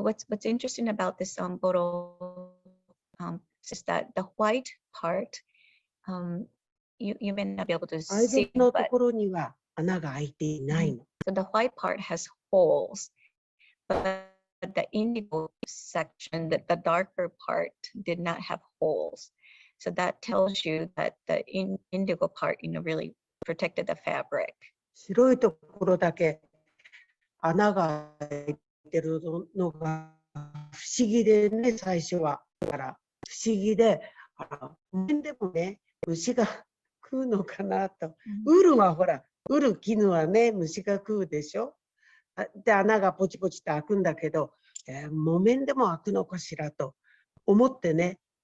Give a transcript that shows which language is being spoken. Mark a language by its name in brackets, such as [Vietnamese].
[English] what's interesting about this bottle is that the white part, you may not be able to see, but [Japanese] のところには穴が開いていないの。So [English] the white part has holes, but the indigo section, the darker part, did not have holes. So that tells you that the indigo part, you know, really protected the fabric. [Japanese] 白いところだけ穴が開いてるのが不思議でね、最初は。だから不思議で、木綿でもね、虫が食うのかなと。ウールはほら、ウール絹はね、虫が食うでしょ。で、穴がポチポチと開くんだけど、木綿でも開くのかしらと思ってね。